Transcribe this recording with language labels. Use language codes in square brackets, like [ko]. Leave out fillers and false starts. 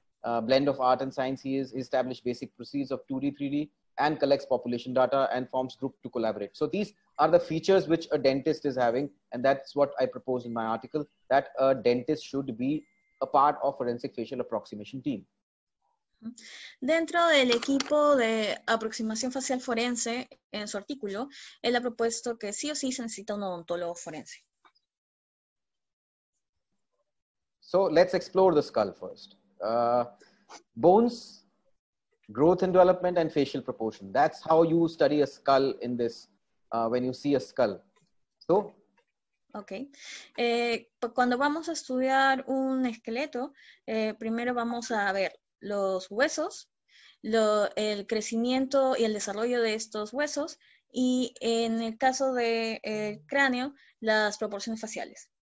[en] Blend of art and science, he established basic procedures of 2D, 3D, and collects population data and forms group to collaborate. So these are the features which a dentist is having, and that's what I propose in my article, that a dentist should be a part of forensic facial approximation team. [es] Dentro del equipo de aproximación facial forense, en su artículo, él ha propuesto que sí o sí se necesita un odontólogo forense. [en] So let's explore the skull first. Bones, growth and development, and facial proportion. That's how you study a skull in this, when you see a skull. So, Ok. [es] Cuando vamos a estudiar un esqueleto, primero vamos a ver los huesos, el crecimiento y el desarrollo de estos huesos, y en el caso del cráneo, las proporciones faciales.